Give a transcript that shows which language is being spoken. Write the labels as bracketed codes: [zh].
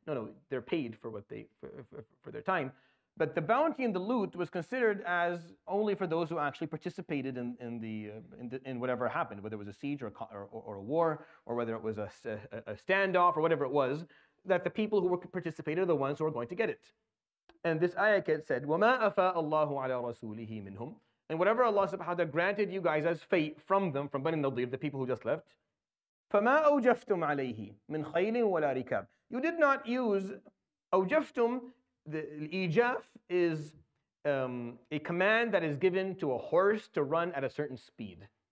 [en] No, they're paid for what they for their time. But the bounty and the loot was considered as only for those who actually participated in whatever happened, whether it was a siege or a war, or whether it was a standoff or whatever it was, that the people who were participated are the ones who are going to get it. And this ayat said, [ar] وَمَا أَفَاءَ اللَّهُ عَلَى رَسُولِهِ مِنْهُمْ. [en] And whatever Allah subhanahu wa ta'ala granted you guys as fate from them, from Bani Nadir, the people who just left, [ar] فَمَا أَوْجَفْتُمْ عَلَيْهِ مِنْ خَيْلٍ وَلَا رِكَابٍ. [en] You did not use أَوْجَفْتُمْ. The ijaf is a command that is given to a horse to run at a certain speed.